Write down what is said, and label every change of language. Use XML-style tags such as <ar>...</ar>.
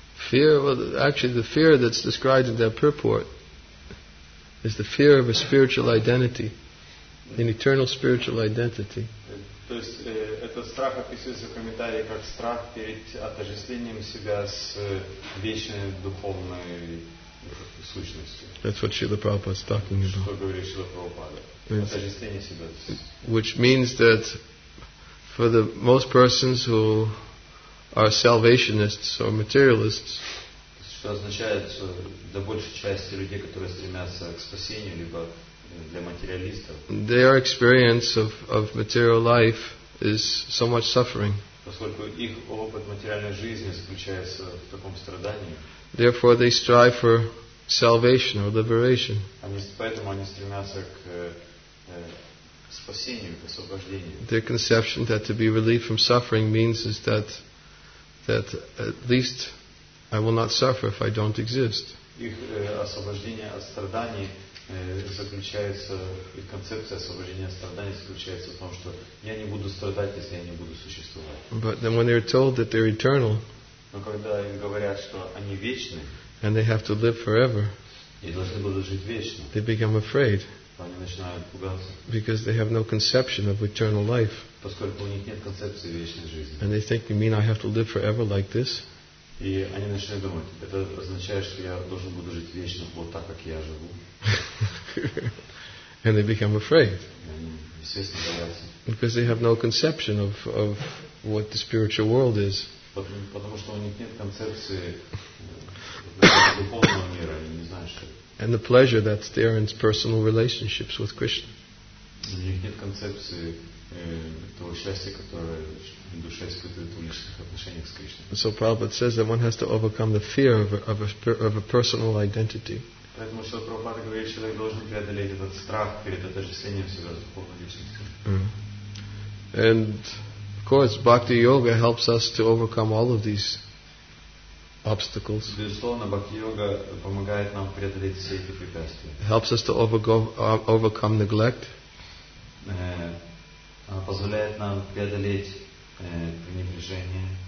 <en>Fear, well, actually the fear that's described in that purport is the fear of a spiritual identity, an eternal spiritual identity.</en> <ru>То есть этот страх описывается в комментарии как страх перед отождествлением себя с вечной духовной сущностью.</ru> <en>That's what Srila Prabhupada's talking about.</en> <ru>Что говорит Srila Prabhupada? Отождествление себя.</ru> <en>Which means that for the most persons who are salvationists or materialists,</en> <ru>что означает, что для большей части людей, которые стремятся к спасению, либо для материалистов,</ru> <en>their experience of material life is so much suffering.</en> <ru>Поскольку их опыт материальной жизни заключается в таком страдании,</ru> <en>therefore they strive for salvation or liberation.</en> <ru>Поэтому они стремятся к спасению, к освобождению.</ru> <en>Their conception that to be relieved from suffering means is that that at least I will not suffer if I don't exist.</en> <ru>Их освобождение от страданий заключается, их концепция освобождения от страданий заключается в том, что я не буду страдать, если я не буду существовать.</ru> <en>But then when they're told that they're eternal,</en> <ru>но когда им говорят, что они вечны,</ru> <en>and they have to live forever,</en> <ru>и должны будут жить вечно,</ru> <en>they become afraid,</en> <ru>они начинают пугаться,</ru> <en>because they have no conception of eternal life,</en> <ru>поскольку у них нет концепции вечной жизни,</ru> <en>and they think, you mean I have to live forever like this?</en> <ru>И они начинают думать, это означает, что я должен буду жить вечно вот так, как я живу.</ru> <en>And they become afraid.</en> <ru>И они, естественно, боятся.</ru> <en>Because they have no conception of what the spiritual world is.</en> <ru>Потому что у них нет концепции духовного мира, они не знают, что это.</ru> <en>And the pleasure that's there in personal relationships with Krishna.</en> <ru>У них нет концепции того счастья, которое душа испытывает в личных отношениях с Кришной.</ru> <en>So Prabhupada says that one has to overcome the fear of a personal identity.</en> <ru>Поэтому Шрила Прабхупада говорит, человек должен преодолеть этот страх перед отождествлением себя с духовной личностью.</ru> <en>And of course, Bhakti Yoga helps us to overcome all of these obstacles.</en> <ru>Безусловно, Бхакти Йога помогает нам преодолеть все эти препятствия.</ru> <en>Helps us to overcome neglect.</en> <ru>Позволяет нам преодолеть пренебрежение.</ru>